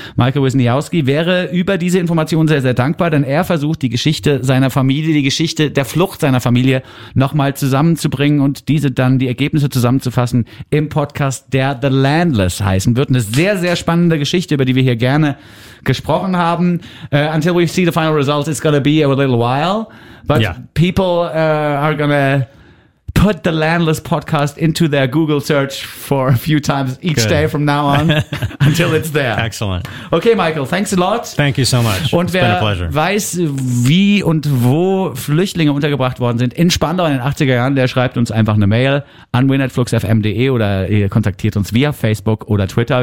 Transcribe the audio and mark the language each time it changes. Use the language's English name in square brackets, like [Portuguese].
[German] Michael Wisniewski wäre über diese Information sehr, sehr dankbar, denn er versucht, die Geschichte seiner Familie, die Geschichte der Flucht seiner Familie nochmal zusammenzubringen und diese dann, die Ergebnisse zusammenzufassen im Podcast, der The Landless heißen wird. Eine sehr, sehr spannende Geschichte, über die wir hier gerne gesprochen haben. [English] Until we see the final results, it's going to be a little while. But people are going to put the Landless podcast into their Google search for a few times each day from now on until it's there. Excellent. Okay, Michael, thanks a lot. Thank you so much. [German] Und [English] it's been a pleasure. [German] Wer weiß, wie und wo Flüchtlinge untergebracht worden sind in Spandau in den 80er Jahren, der schreibt uns einfach eine Mail an win@fluxfm.de oder ihr kontaktiert uns via Facebook oder Twitter.